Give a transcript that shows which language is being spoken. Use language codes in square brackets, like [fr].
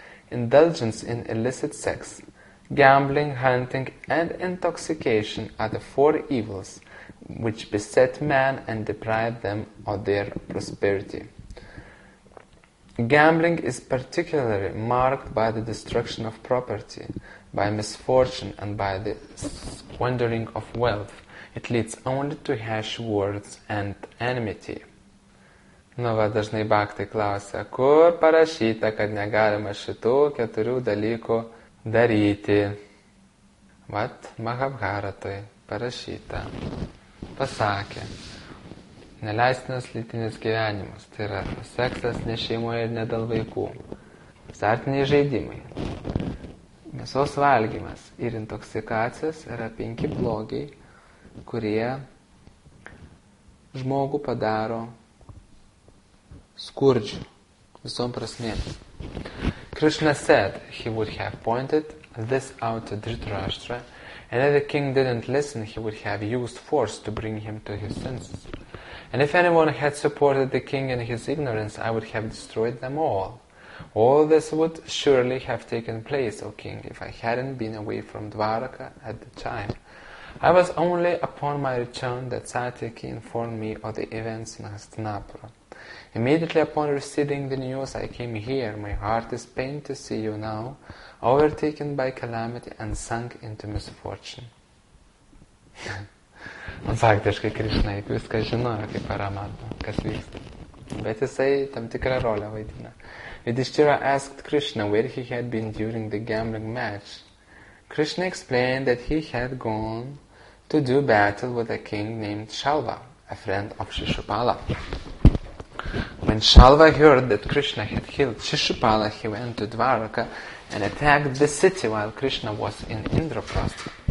[en] Indulgence in illicit sex, gambling, hunting and intoxication are the four evils which beset man and deprive them of their prosperity. Gambling is particularly marked by the destruction of property, by misfortune and by the squandering of wealth. It leads only to harsh words and enmity. [lt] Nu va, dažnai baktai klausia, kur parašyta, kad negalima šitų keturių dalykų daryti. Vat, Mahabharatoj parašyta. Pasakė, neleistinas lytinis gyvenimas, tai yra seksas ne šeimoje ir ne dėl vaikų, azartiniai žaidimai, mėsos valgymas ir intoksikacijos yra penki blogiai, kurie žmogų padaro skurdžiu visom prasmėm. [en] Krishna said he would have pointed this out to Dhritarashtra. And if the king didn't listen, he would have used force to bring him to his senses. And if anyone had supported the king in his ignorance, I would have destroyed them all. All this would surely have taken place, O king, if I hadn't been away from Dwaraka at the time. I was only upon my return that Satyaki informed me of the events in Hastinapura. Immediately upon receiving the news, I came here. My heart is pained to see you now, overtaken by calamity and sunk into misfortune. [lt] Faktiškai Krishna juk viską žinojo, kaip paramato, kas vyksta. Bet jisai tam tikrą rolę vaidina. [en] Yudhishthira asked Krishna where he had been during the gambling match. Krishna explained that he had gone to do battle with a king named Shalva, a friend of Shishupala. When Shalva heard that Krishna had killed Shishupala, he went to Dwaraka and attacked the city while Krishna was in Indraprastha.